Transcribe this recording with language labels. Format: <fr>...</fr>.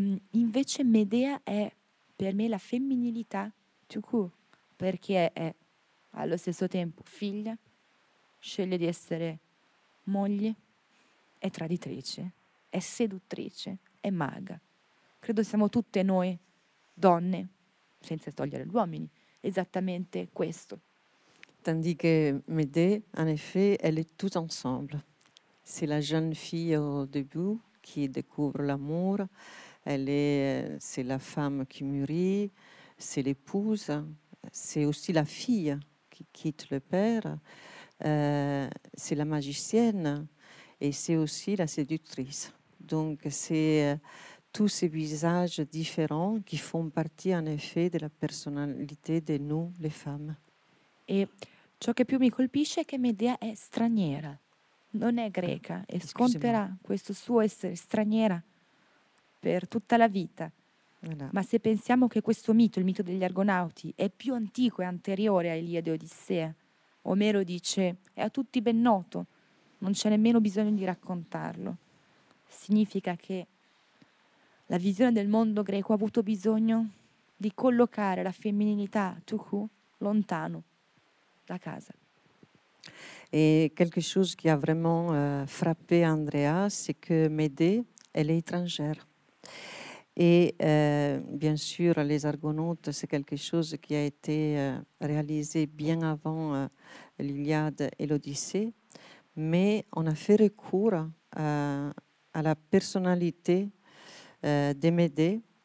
<it>Invece Medea è per me la femminilità tout court, perché è allo stesso tempo figlia, sceglie di essere moglie, è traditrice, è seduttrice, è maga. Credo siamo tutte noi donne, senza togliere gli uomini, esattamente questo.</it> <fr>Tandis que Medea, en effet, elle est tout ensemble. C'est la jeune fille au début qui découvre l'amour. Elle est, c'est la femme qui mûrit, c'est l'épouse, c'est aussi la fille qui quitte le père, c'est la magicienne et c'est aussi la séductrice. Donc c'est tous ces visages différents qui font partie en effet de la personnalité de nous, les femmes.</fr> <it>Et ciò che più mi colpisce è che Medea è straniera, non è greca, e sconterà questo suo essere straniera per tutta la vita. Ma se pensiamo che questo mito, il mito degli Argonauti, è più antico e anteriore a Iliade e Odissea, Omero dice, è a tutti ben noto, non c'è nemmeno bisogno di raccontarlo. Significa che la visione del mondo greco ha avuto bisogno di collocare la femminilità, tuku, lontano da casa.</it> <fr>E quelque chose qui a vraiment frappé Andrea, c'est que Médée, elle est étrangère. Et bien sûr, les Argonautes, c'est quelque chose qui a été réalisé bien avant l'Iliade et l'Odyssée, mais on a fait recours à la personnalité de Médée.</fr>